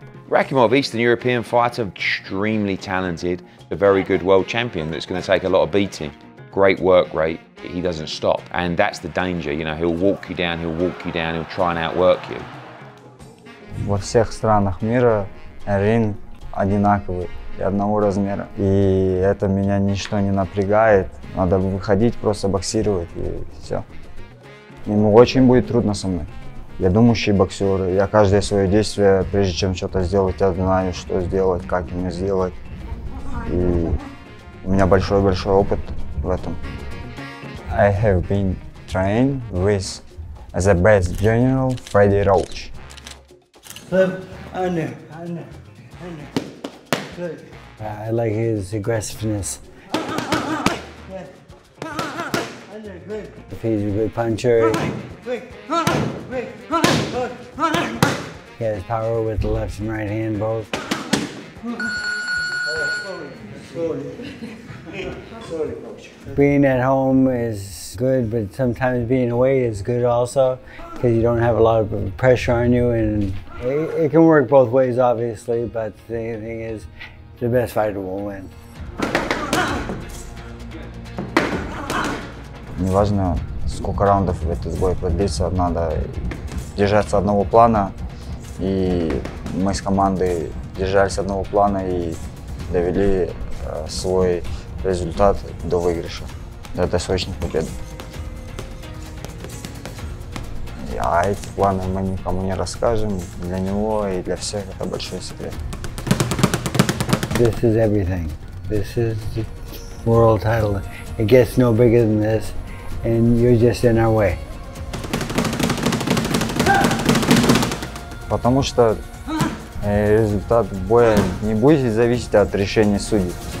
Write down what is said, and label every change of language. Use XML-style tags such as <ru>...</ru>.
<en>Rakhimov, Eastern European fighter, extremely talented, a very good world champion that's going to take a lot of beating. Great work rate, he doesn't stop. And that's the danger, you know, he'll walk you down, he'll walk you down, he'll try and outwork you. In all countries of the world, ring is identical.</en> <ru>И одного размера. И это меня ничто не напрягает. Надо выходить, просто боксировать, и все. Ему очень будет трудно со мной. Я думающий боксер. Я каждое свое действие, прежде чем что-то сделать, я знаю, что сделать, как мне сделать. И у меня большой-большой опыт в этом.</ru> <en>I have been trained with the best general Freddy Roach. I like his aggressiveness. He's a good puncher. He has power with the left and right hand both. Being at home is good, but sometimes being away is good also, because you don't have a lot of pressure on you, and it can work both ways, obviously, but the thing is, the best fighter will win.</en> <ru>Не важно, сколько раундов в этот бой продлится, надо держаться одного плана, и мы с командой держались одного плана и довели свой результат до выигрыша, до досрочных побед. А эти планы мы никому не расскажем, для него и для всех это большой секрет.</ru> <en>This is everything. This is the world title. It gets no bigger than this, and you're just in our way.</en> <ru>Потому что результат боя не будет зависеть от решения судей.</ru>